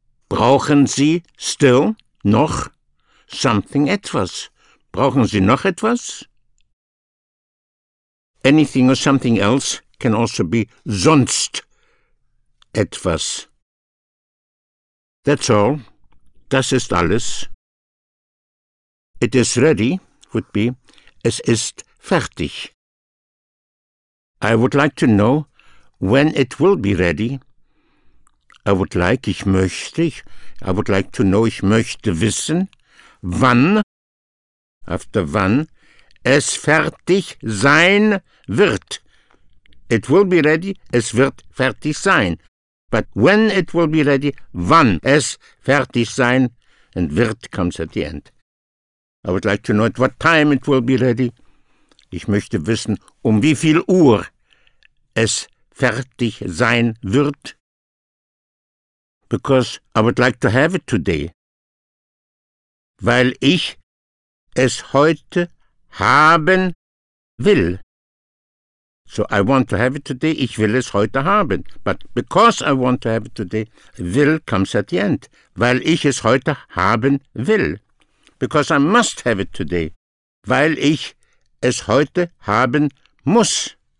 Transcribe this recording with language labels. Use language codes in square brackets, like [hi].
[de] Brauchen Sie still noch something, etwas? Brauchen Sie noch etwas? [en] Anything or something else can also be [de] sonst etwas. [en] That's all. [de] Das ist alles. [en] It is ready would be [de] es ist fertig. [en] I would like to know when it will be ready. I would like, [de] ich möchte, [en] I would like to know, [de] ich möchte wissen, wann, after wann, es fertig sein wird. [en] It will be ready, [de] es wird fertig sein. [en] But when it will be ready, [de] wann es fertig sein, [en] and wird comes at the end. I would like to know at what time it will be ready. [de] Ich möchte wissen, um wie viel Uhr es fertig sein wird. [en] Because I would like to have it today. [de] Weil ich es heute haben will. [en] So I want to have it today. [de] Ich will es heute haben. [en] But because I want to have it today, will comes at the end. [de] Weil ich es heute haben will. [en] Because I must have it today. [de] Weil ich es heute haben muss.